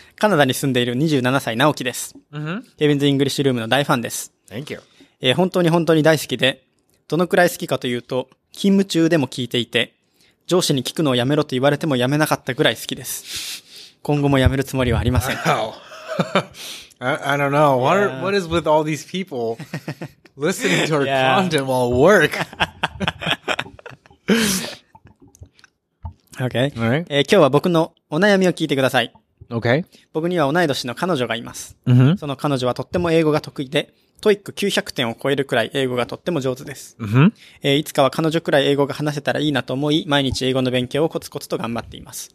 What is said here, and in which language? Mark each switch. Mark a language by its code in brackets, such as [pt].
[ja] カナダに住んでいる27歳直樹です。ケビンズ・イングリッシュルームの大ファンです。 [en] Thank you. [ja] 本当に本当に大好きで、どのくらい好きかというと、勤務中でも聞いていて、上司に聞くのをやめろと言われてもやめなかったぐらい好きです。今後もやめるつもりはありません。 [en] I don't know. What is with all these people listening to our content while work? Okay. Right. [ja] 今日は僕のお悩みを聞いてください。 [en] Okay. [ja] 僕には同い年の彼女がいます。 Mm-hmm. その彼女はとっても英語が得意で、TOEIC 900点を超えるくらい英語がとっても上手です。 Mm-hmm. いつかは彼女くらい英語が話せたらいいなと思い、毎日英語の勉強をコツコツと頑張っています。